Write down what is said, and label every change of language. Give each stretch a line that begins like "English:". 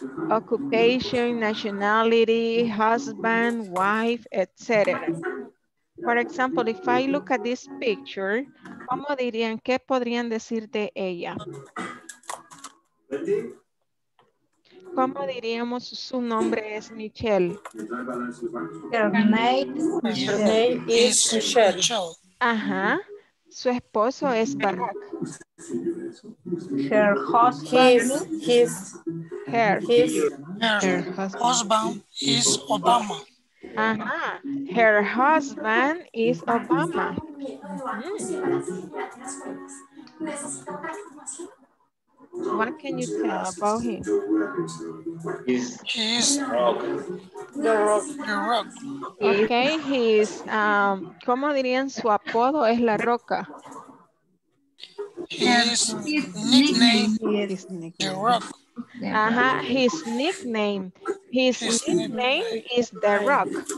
English: Occupation, nationality, husband, wife, etc. For example, if I look at this picture,
Spanish: ¿cómo dirían? ¿Qué podrían decir de ella? ¿Cómo diríamos su nombre es Michelle?
English: Her name is Michelle.
Spanish: Ajá. Su esposo es Barack.
English: Her husband. Her husband is Obama. Ajá, her husband is Obama. What can you tell about him? He's the rock. Okay, he's
Spanish: ¿cómo dirían su apodo es la roca?
English: His nickname is the rock. Ajá, his nickname is The Rock.